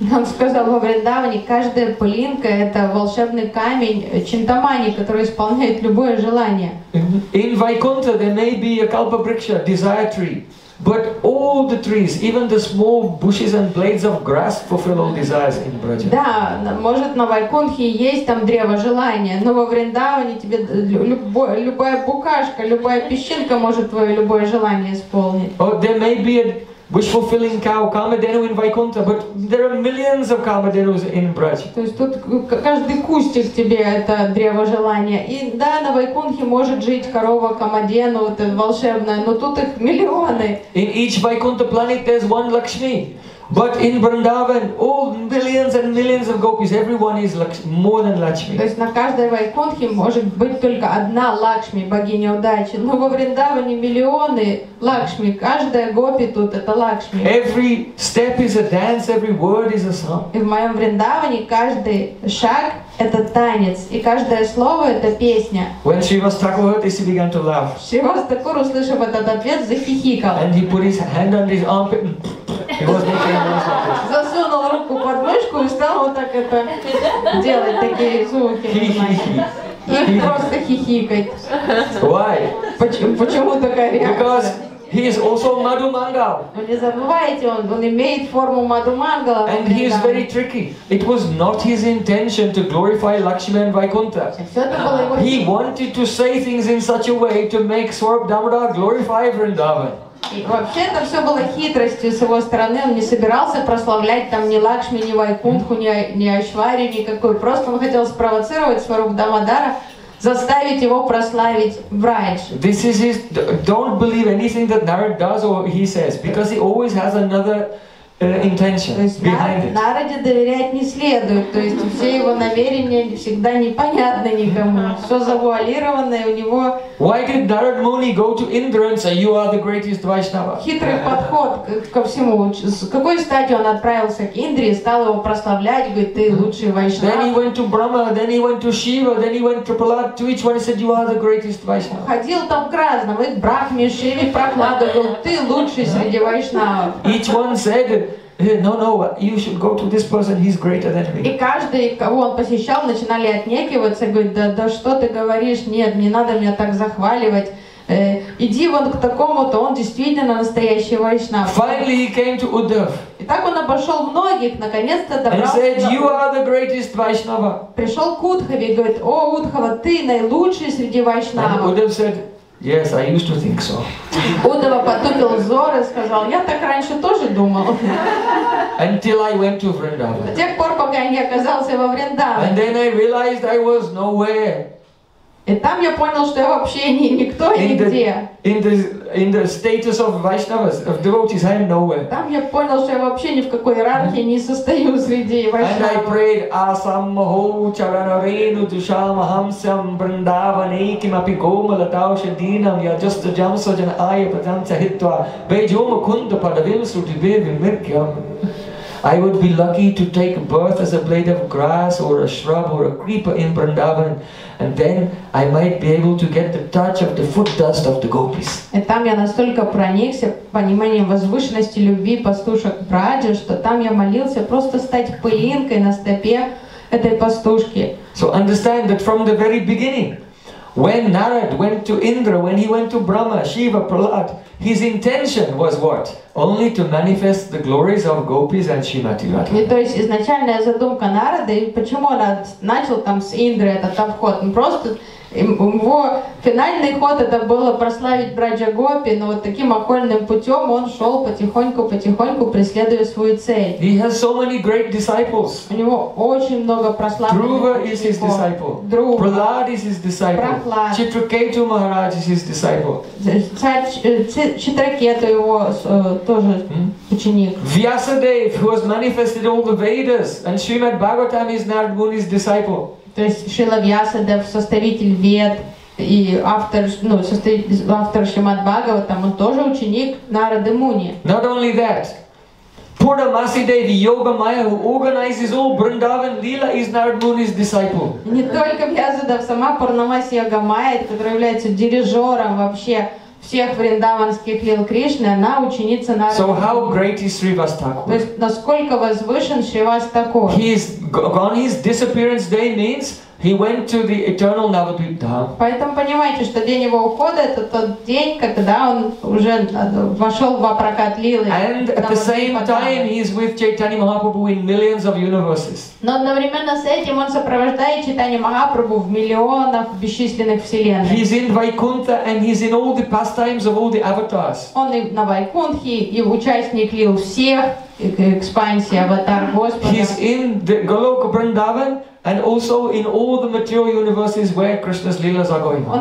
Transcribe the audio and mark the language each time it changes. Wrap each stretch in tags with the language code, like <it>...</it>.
<ru>Он сказал, во Вриндаване каждая пылинка – это волшебный камень Чинтамани, который исполняет любое желание.</ru> <en>In Vaikuntha there may be a Kalpavriksha, desire tree, but all the trees, even the small bushes and blades of grass fulfill all desires in Braja.</en> <ru>Да, может на Вайкунтхе есть там древо желания, но во Вриндаване тебе любая букашка, любая песчинка может твое любое желание исполнить.</ru> <en>Or there may be a wish-fulfilling cow, Kamadenu in Vaikuntha, but there are millions of Kamadenus in Braj.</en> <ru>То есть тут каждый кустик тебе это древо желания. И да, на Вайкунтхе может жить корова Камадену, это волшебная, но тут их миллионы.</ru> <en>In each Vaikuntha planet there's one Lakshmi. But in Vrindavan, all millions and millions of gopis, everyone is more than Lakshmi.</en> <ru>То есть на каждой Вайкунтхе может быть только одна Лакшми, богиня удачи. Но во Вриндаване миллионы Лакшми. Каждая гопи тут это Лакшми.</ru> <en>Every step is a dance, every word is a song.</en> <ru>И в моем Вриндаване каждый шаг это танец, и каждое слово это песня.</ru> <en>When Shiva Thakur, he began to laugh.</en> <ru>Shiva Thakur, услышав этот ответ, захихикал.</ru> <en>And he put his hand on his armpit.</en> <ru>Засунул руку под мышку и стал вот так это делать такие звуки. И просто хихикать.</ru> <en>Why?</en> <ru>Почему такая реакция?</ru> <en>Because he is also Madhu Mangal.</en> <ru>Не забывайте, он имеет форму Madhu Mangala.</ru> <en>And he is very tricky. It was not his intention to glorify Lakshmi and Vaikuntha. He wanted to say things in such a way to make Swarup Damodar glorify Vrindavan.</en> <ru>И вообще это все было хитростью с его стороны, он не собирался прославлять там ни Лакшми, ни Вайкунтху, ни Айшвари, никакой. Просто он хотел спровоцировать Сварупа Дамодара, заставить его прославить Врадж.</ru> <en>This is his, don't believe anything that Narad does or he says, because he always has another intention behind it.</en> <ru>Нараде доверять не следует, то есть все его намерения всегда непонятны никому. Все завуалированное у него.</ru> <en>Why did Narad Muni go to Indra and say, you are the greatest Vaishnava?</en> <ru>Хитрый подход ко всему. С какой стати он отправился к Индре и стал его прославлять, говорит, ты лучший Вайшнава.</ru> <en>Then he went to Brahma, then he went to Shiva, then he went to Prahlad, to each one he said, you are the greatest Vaishnava.</en> <ru>Ходил там к разным, и к Брахме, Шиве, Прахладу, говорил, ты лучший среди Вайшнава.</ru> <en>Each one said, no, you should go to this person, he's greater than me.</en> <ru>И каждый, кого он посещал, начинали отнекиваться, говорить, да что ты говоришь, нет, не надо меня так захваливать. Иди вон к такому-то, он действительно настоящий вайшнав.</ru> <en>Finally he came to Uddhav.</en> <ru>И так он обошел многих, наконец-то добрался.</ru> <en>And said, you are the greatest Vaishnava.</en> <ru>Пришел к Удхаве и говорит, о, Удхава, ты наилучший среди вайшнава.</ru> <en>And Uddhav said, yes, I used to think so.</en> <ru>Удава потупил взор и сказал, я так раньше тоже думал.</ru> <en>Until I went to Vrindavan.</en> <ru>До тех пор, пока я не оказался во Вриндаване.</ru> <en>And then I realized I was nowhere.</en> <ru>И там я понял, что я вообще никто и нигде.</ru> <en>In the status of Vaishnavas, of devotees, I am nowhere.</en> <ru>Там я понял, что я вообще ни в какой иерархии не состою среди Вайшнава.</ru> <en>And I prayed,</en> <sa>Асамхо чаранарену душамахамсям бриндаванейким апикомалатаушадинам я джасту джамсаджан айя патамцахитва бейджома кунда падавим срутибевим миркьям.</sa> <en>I would be lucky to take birth as a blade of grass or a shrub or a creeper in Vrindavan, and then I might be able to get the touch of the foot dust of the gopis.</en> <ru>И там я настолько проникся пониманием возвышенности любви пастушек Враджа, что там я молился просто стать пылинкой на стопе этой пастушки.</ru> <en>So understand that from the very beginning, when Narad went to Indra, when he went to Brahma, Shiva, Prahlad, his intention was what? Only to manifest the glories of gopis and Shrimati Radha.</en> <ru>То есть изначальная задумка Нарады, почему он начал там с Индры этот вход? Просто его финальный ход это было прославить Враджа Гопи, но вот таким окольным путем он шел потихоньку, преследуя свою цель.</ru> <en>He has so many great disciples.</en> <ru>У него очень много прославленных учеников.</ru> <en>Dhruva is his disciple. Prahlad is his disciple. Chitraketu Maharaj is his disciple.</en> <ru>Chitraketu его тоже ученик.</ru> <en>Vyasadev, who has manifested all the Vedas, and Srimad Bhagavatam is Narad Muni's disciple.</en> <ru>То есть Шрила Вьясадев, составитель Вед и автор Шримад Бхагаватам, он тоже ученик Нарады Муни.</ru> <en>Not only that, Purnamasidevi Yogamaya, who organizes all Vrindavan Lila, is Narad Muni's disciple.</en> <ru>Не только Вьясадев, сама Пурнамаси Йогамая, которая является дирижером вообще всех вриндаванских лил Кришны, она ученица Нарады.</ru> <en>So how great is Shrivas Thakur?</en> <ru>То есть насколько возвышен Shrivas Thakur?</ru> <en>On his disappearance day means he went to the eternal Navadvip Dham.</en> <ru>Поэтому понимаете, что день его ухода это тот день, когда он уже вошел в апракат лилы.</ru> <en>And at the same time he is with Chaitanya Mahaprabhu in millions of universes.</en> <ru>Но одновременно с этим он сопровождает Чайтанью Махапрабху в миллионах бесчисленных вселенных.</ru> <en>He's in Vaikuntha and he's in all the pastimes of all the avatars.</en> <ru>Он и на Вайкунтхе, и участник лил всех экспансий аватар Господа.</ru> <en>He's in the Голока Вриндаван. And also in all the material universes where Krishna's lilas are going on.</en>